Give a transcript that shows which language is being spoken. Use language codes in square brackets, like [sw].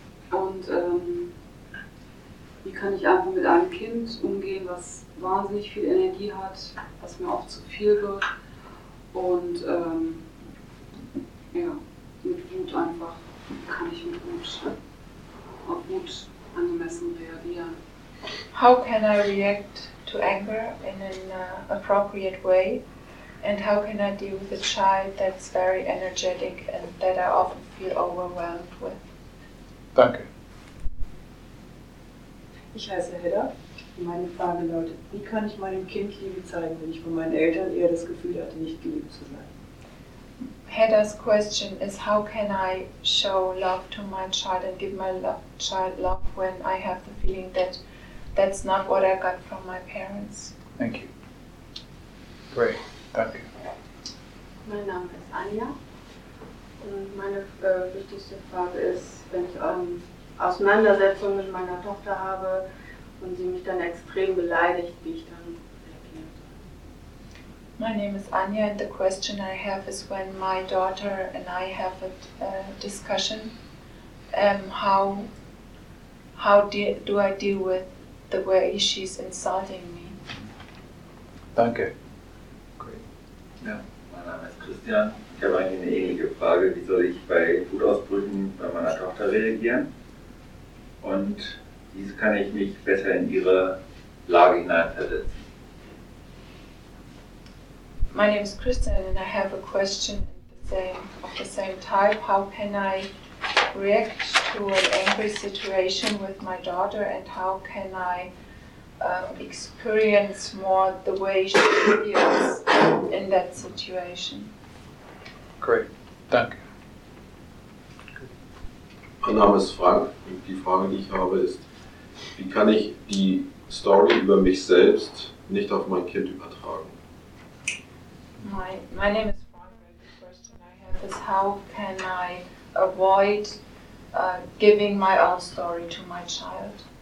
[de] Und wie kann ich einfach mit einem Kind umgehen, was wahnsinnig viel Energie hat, was mir oft zu viel wird und mit Wut einfach, kann ich mit Wut auch gut angemessen reagieren? [en] How can I react to anger in an appropriate way, and how can I deal with a child that's very energetic and that I often feel overwhelmed with? [de] Danke. Ich heiße Hedda. Meine Frage lautet, wie kann ich meinem Kind Liebe zeigen, wenn ich von meinen Eltern eher das Gefühl hatte, nicht geliebt zu sein? [en] Hedda's question is, how can I show love to my child and give my child love when I have the feeling that that's not what I got from my parents? Thank you. Great. Thank you. [de] Mein Name ist Anja. Und meine wichtigste Frage ist, wenn ich Auseinandersetzung mit meiner Tochter habe und sie mich dann extrem beleidigt, wie ich dann reagiere. [en] My name is Anja and the question I have is when my daughter and I have a discussion, how do I deal with the way she's insulting me. [de] Danke. [en] Great. [de] Ja, mein Name ist Christian. Ich habe eigentlich eine ähnliche Frage. Wie soll ich bei Wutausbrüchen bei meiner Tochter reagieren? Und wie kann ich mich besser in ihre Lage hineinversetzen? [en] My name is Christian and I have a question of the same type. How can I react to an angry situation with my daughter and how can I experience more the way she feels in that situation? Great, [de] danke. Mein Name ist Frank und die Frage, die ich habe, ist, wie kann ich die Story über mich selbst nicht auf mein Kind übertragen? [en] My name is Frank. The question I have is, how can I avoid giving my own story to my child.